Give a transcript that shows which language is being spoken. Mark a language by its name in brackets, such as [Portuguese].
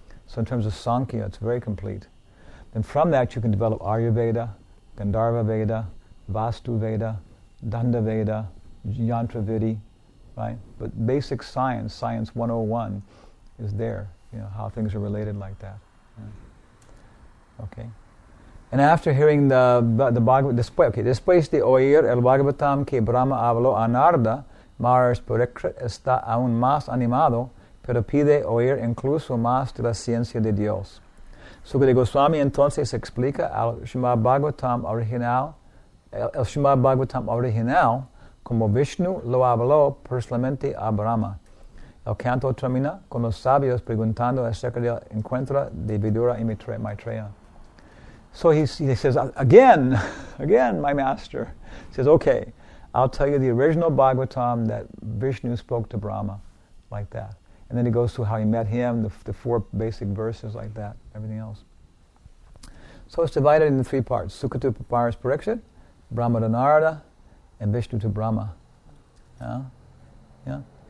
[English] So in terms of Sankhya, it's very complete. And from that, you can develop Ayurveda, Gandharva Veda, Vastu Veda, Danda Veda, Yantra Vidhi, right? But basic science, science 101, is there, you know, how things are related like that. Yeah. Okay. And after hearing the Bhagavad, [Spanish] después de oír el Bhagavatam que Brahma habló a Narada, Maharaj Pariksit está aún más animado, pero pide oír incluso más de la ciencia de Dios. Sukadeva Goswami entonces explica al Srimad Bhagavatam original. El Srimad Bhagavatam original, como Vishnu lo habló personalmente a Brahma. El canto termina con los sabios preguntando acerca del encuentro de Vidura y Maitreya. [English] So he says, again, my master. He says, okay, I'll tell you the original Bhagavatam that Vishnu spoke to Brahma, like that. And then he goes through how he met him, the four basic verses, like that, everything else. So it's divided into three parts, Sukadeva to Maharaj Pariksit, Brahma to Narada, and Vishnu to Brahma. Yeah? Yeah?